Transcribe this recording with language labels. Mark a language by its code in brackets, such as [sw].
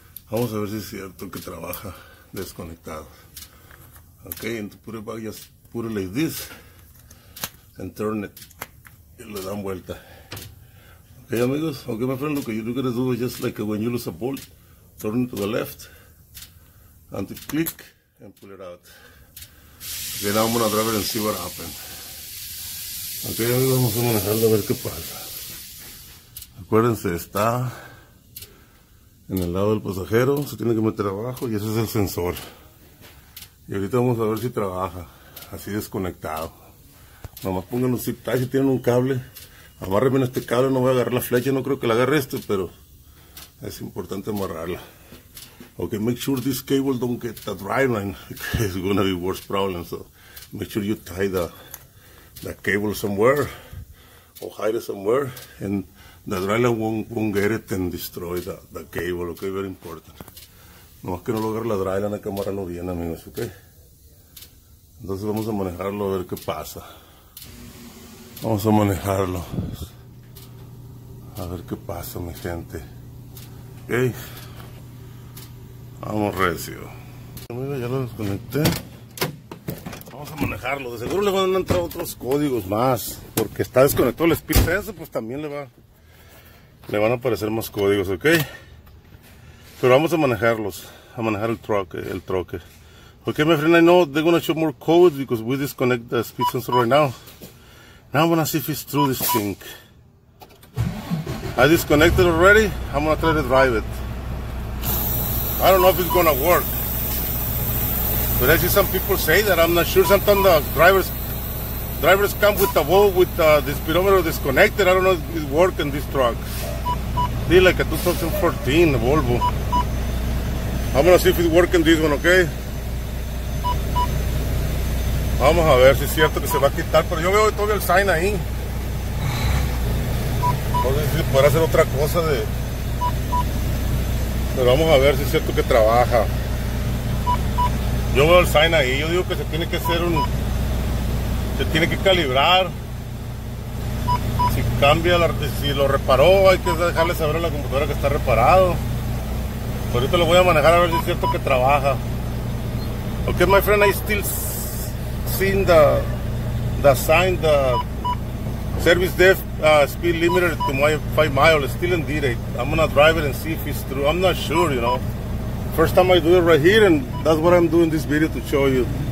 [es] Vamos a ver si es cierto que trabaja desconectado. [en] Ok, and to put it back, just put it like this. And turn it. [es] Y le dan vuelta. [en] Ok, amigos. Ok, my friend. [es] Lo que [en] you're going to do is just like when you lose a bolt. Turn it to the left. And to click. And pull it out. Ok, now I'm going to drive it and see what happened. [es] Ok, amigos. Vamos a manejarlo a ver qué pasa. Acuérdense. Está en el lado del pasajero. Se tiene que meter abajo. Y ese es el sensor. Y ahorita vamos a ver si trabaja. Así desconectado. Nomás pongan un zip tie si tienen un cable. Amarren bien este cable, no voy a agarrar la flecha, no creo que la agarre este, pero es importante amarrarla. [en] Ok, make sure this cable don't get the drive line, because it's gonna be worse problem. So make sure you tie the cable somewhere or hide it somewhere, and the drive line won't get it and destroy the cable. Ok, very important. [es] Nomás que no lo agarre la drive line, hay que amarrarlo bien, amigos. Ok, entonces vamos a manejarlo a ver qué pasa. Vamos a manejarlo. A ver qué pasa, mi gente. Ok. Vamos recio. Mira, ya lo desconecté. vamos a manejarlo. De seguro le van a entrar otros códigos más, porque está desconectado el speed sensor, pues también le van a aparecer más códigos, ¿ok? Pero vamos a manejarlos, a manejar el troque. [en] Okay, my friend, I know they're gonna show more codes because we disconnect the speed sensor right now. Now I'm gonna see if it's through this thing. I disconnected already. I'm gonna try to drive it. I don't know if it's gonna work. But I see some people say that. I'm not sure. Sometimes the drivers come with the wall with the speedometer disconnected. I don't know if it works in this truck. See, like a 2014 Volvo. I'm gonna see if it works in this one, okay? [es] Vamos a ver si es cierto que se va a quitar, pero yo veo todavía el sign ahí. No sé si podrá hacer otra cosa de... Pero vamos a ver si es cierto que trabaja. Yo veo el sign ahí, yo digo que se tiene que hacer un... Se tiene que calibrar. Si cambia, si lo reparó, hay que dejarle saber a la computadora que está reparado. Por ahorita lo voy a manejar a ver si es cierto que trabaja. [en] Ok, my friend, I still seen the sign, the service def speed limiter to my 5 miles, still in D-rate. I'm gonna drive it and see if it's true. I'm not sure, you know. First time I do it right here, and that's what I'm doing this video to show you.